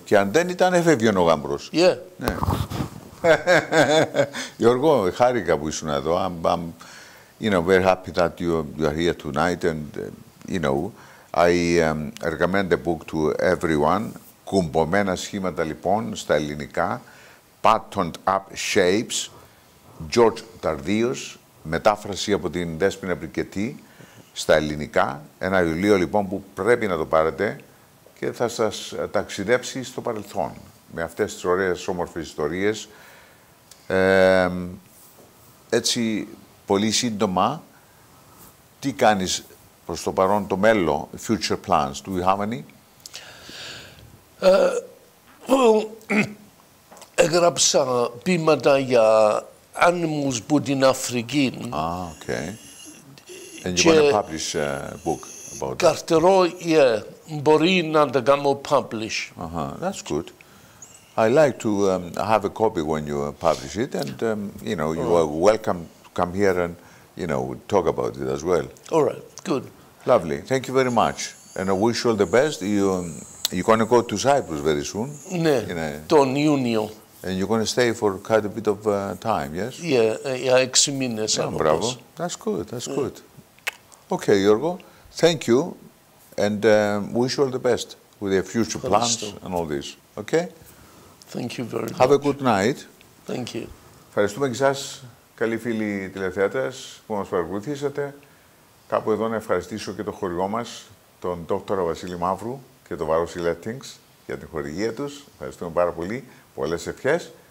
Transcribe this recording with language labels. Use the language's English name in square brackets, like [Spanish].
[Greek] Και αν δεν ήταν, έφευγε ο γάμπρος. [English] Yeah. [Greek] Ναι. Γιώργο, χάρηκα που ήσουν εδώ. [English] I'm, you know, very happy that you are here tonight. And, you know, I recommend the book to everyone. [Greek] Κουμπωμένα σχήματα, λοιπόν, στα ελληνικά. Patterned Up Shapes. George Tardios. Μετάφραση από την Δέσποινα Μπρικετή. Στα ελληνικά, ένα βιβλίο λοιπόν που πρέπει να το πάρετε και θα σας ταξιδέψει στο παρελθόν με αυτές τις ωραίες όμορφες ιστορίες. Έτσι, πολύ σύντομα, τι κάνεις προς το παρόν, το μέλλον, [English] future plans, do you have any? [Greek] Έγραψα ποίηματα για άνεμους που την Αφρική. [English] And you want to publish a book about it? [Greek] Καρτερό, yeah. Μπορεί να τα κάνω publish. [English] That's good. I like to have a copy when you publish it. And, you know, you are welcome to come here and, you know, talk about it as well. All right, good. Lovely. Thank you very much. And I wish you all the best. You're going to go to Cyprus very soon. [Greek] Ναι, τον Ιούνιο. [English] And you're going to stay for quite a bit of time, yes? [Greek] Yeah, 6 μήνες. [English] Bravo. That's good, that's good. Okay, Γιώργο, thank you and wish you all the best with your future plans and all this. Okay? Thank you very much. Have a good night. Thank you. [Greek] Ευχαριστούμε και εσάς, καλοί φίλοι τηλεθεατές που μας παρακολουθήσατε. Κάπου εδώ να ευχαριστήσω και το χορηγό μας, τον Δόκτωρα Βασίλη Μαύρου και τον Βαρόσι Lettings για την χορηγία τους. Ευχαριστούμε πάρα πολύ. Πολλές ευχές.